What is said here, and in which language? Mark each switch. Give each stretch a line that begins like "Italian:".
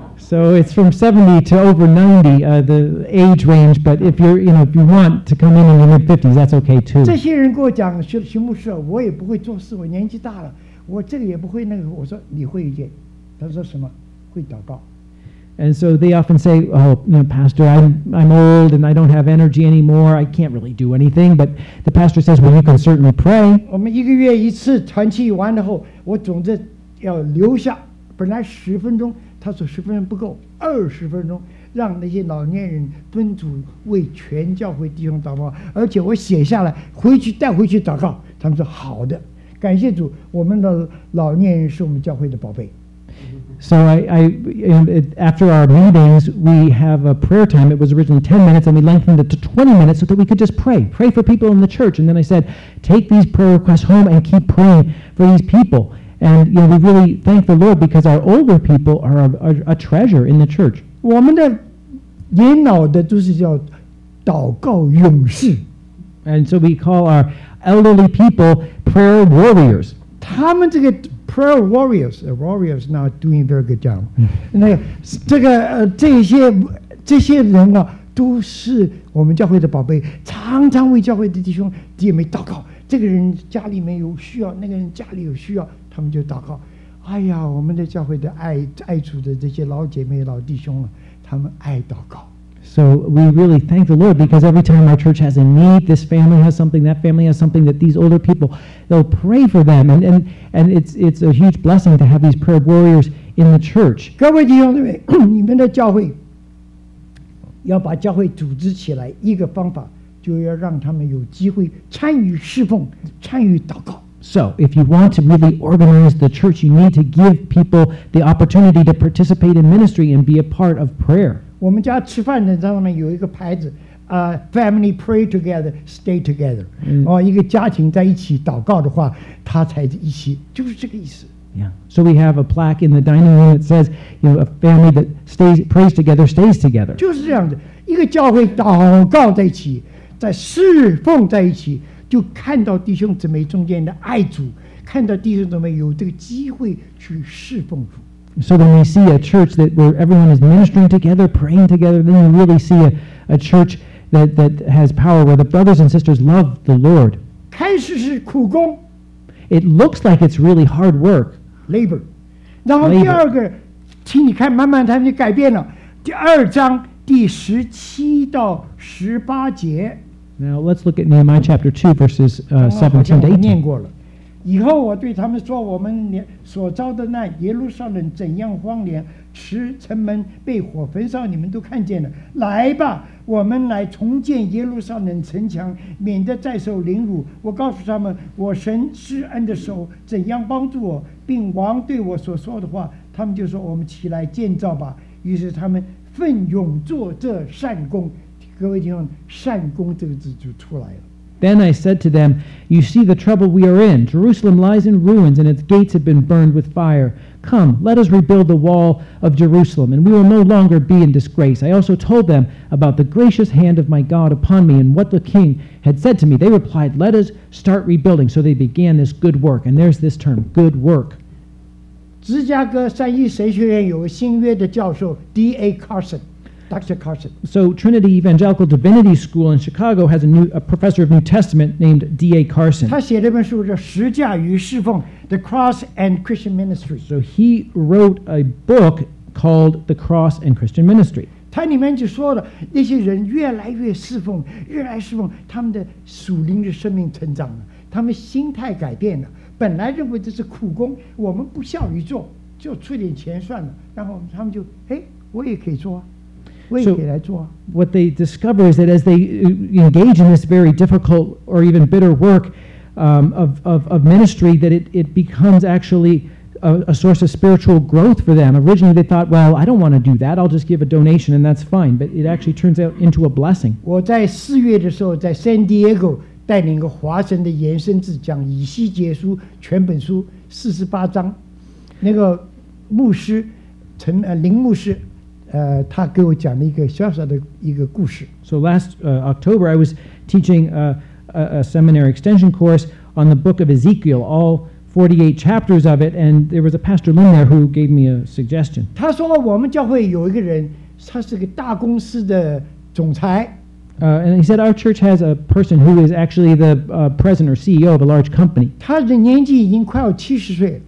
English: So it's from 70 to over 90, the age range. But if you're, you know, if you want to come in your mid-50s, that's okay too.
Chinese: 这些人跟我讲，徐牧师，我也不会做事，我年纪大了，我这个也不会那个。我说你会一点，他说什么？会祷告。
English: And so they often say, oh, you know, Pastor, I'm old and I don't have energy anymore. I can't really do anything. But the pastor says, well, you can certainly pray.
Chinese: 我们一个月一次团契完了后，我总之要留下，本来十分钟。他说十分钟不够，二十分钟让那些老年人尊主为全教会弟兄祷告，而且我写下来回去带回去祷告。他们说好的，感谢主，我们的老年人是我们教会的宝贝。
English: So I after our meetings we have a prayer time. It was originally 10 minutes and we lengthened it to 20 minutes so that we could just pray for people in the church. And then I said, take these prayer requests home and keep praying for these people. And you know, we really thank the Lord because our older people are a treasure in the church.
Chinese: 我们的年老的都是叫祷告勇士。
English: And so we call our elderly people prayer warriors.
Chinese: 他们这个
English: prayer warriors not doing very good job.
Chinese: 那这个这些人呢，都是我们教会的宝贝，常常为教会的弟兄弟妹祷告。这个人家里面有需要，那个人家里有需要。他们就祷告，哎呀，我们的教会的爱主的这些老姐妹、老弟兄了，他们爱祷告。
English: So we really thank the Lord because every time our church has a need, this family has something, that family has something, that these older people, they'll pray for them, and it's a huge blessing to have these prayer warriors in the church.
Chinese: 各位弟兄姊妹，你们的教会要把教会组织起来，一个方法就要让他们有机会参与侍奉、参与祷告。
English: So, if you want to really organize the church, you need to give people the opportunity to participate in ministry and be a part of prayer.
Chinese: 我们家吃饭的上面有一个牌子，
English: family pray together, stay together.
Chinese: 哦，一个家庭在一起祷告的话，他才一起，就是这个意思。
English: Yeah. So we have a plaque in the dining room that says, you know, a family that stays, prays together, stays together.
Chinese: 就是这样子，一个教会祷告在一起，在侍奉在一起，就看到弟兄姊妹中间的爱主，看到弟兄姊妹有这个机会去侍奉主。
English: So when we see a church that where everyone is ministering together, praying together, then you really see a church that has power where the brothers and sisters love the Lord.
Chinese: 开始是苦工。
English: It looks like it's really hard work. Labor.
Chinese: 然后第二个，请你看，慢慢他们就改变了。第二章第十七到十八节。
English: Now let's look at Nehemiah chapter 2 verses 17 to 18.
Chinese: 念过了。以后我对他们说，我们所遭的难，耶路撒冷怎样荒凉，城门被火焚烧，你们都看见了。来吧，我们来重建耶路撒冷城墙，免得再受凌辱。我告诉他们，我神施恩的手怎样帮助我，并王对我所说的话，他们就说，我们起来建造吧。于是他们奋勇做这善工。各位弟兄，善工这个字就出来了。
English: Then I said to them, You see the trouble we are in. Jerusalem lies in ruins, and its gates have been burned with fire. Come, let us rebuild the wall of Jerusalem, and we will no longer be in disgrace. I also told them about the gracious hand of my God upon me and what the king had said to me. They replied, Let us start rebuilding. So they began this good work. And there's this term, good work.
Chinese: 芝加哥三一神学院有个新约的教授 D.A.
English: Carson. Dr. Carson. So Trinity Evangelical Divinity School in Chicago has a professor of New Testament named D.A. Carson.
Chinese: 他写了一本书叫《十架与侍奉》
English: The Cross and Christian Ministry. So he wrote a book called The Cross and Christian Ministry.
Chinese: 他里面就说了那些人越来越侍奉越来侍奉他们的属灵的生命成长了他们心态改变了本来认为这是苦工我们不效于做就出点钱算了然后他们就我也可以做啊
English: So what they discover is that as they engage in this very difficult or even bitter work of ministry, that it becomes actually a source of spiritual growth for them. Originally, they thought, well, I don't want to do that. I'll just give a donation and that's fine. But it actually turns out into a blessing.
Chinese: 我在四月的时候在 San Diego 带领一个华神的延伸字讲以西结书全本书四十八章那个牧师陈林牧师他给我讲了一个小小的一个故事。
English: So last October, I was teaching a seminary extension course on the book of Ezekiel, all 48 chapters of it, and there was a pastor Lin there who gave me a suggestion.
Chinese: 他说我们教会有一个人，他是个大公司的总裁。
English: And he said our church has a person who is actually the president or CEO of a large company.
Chinese: 他的年纪已经快要七十岁。